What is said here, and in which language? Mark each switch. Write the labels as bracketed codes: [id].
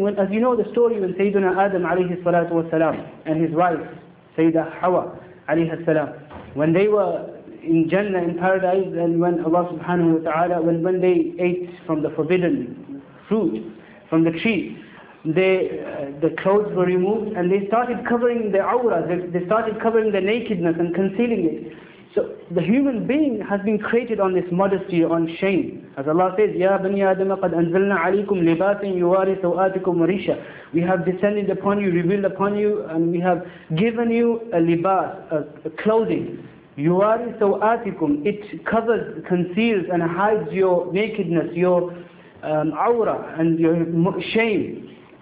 [en] When, as you know the story, when Sayyidina Adam alayhi salatu wa salam and his wife Sayyida Hawa alayhi salam, when they were in Jannah, in paradise, and when Allah subhanahu wa ta'ala, when they ate from the forbidden fruit from the tree, the clothes were removed and they started covering the awra, they started covering the nakedness and concealing it. So the human being has been created on this modesty, on shame. [ar] As Allah says, يَا بَنِيَ آدَمَ قَدْ أَنزَلْنَا عَلَيْكُمْ لِبَاسٍ يُوَارِي سَوْآتِكُمْ وَرِيشًا. [en] We have descended upon you, revealed upon you, and we have given you a libas, a clothing. [ar] يُوَارِي سَوْآتِكُمْ. [en] It covers, conceals and hides your nakedness, your awra and your shame.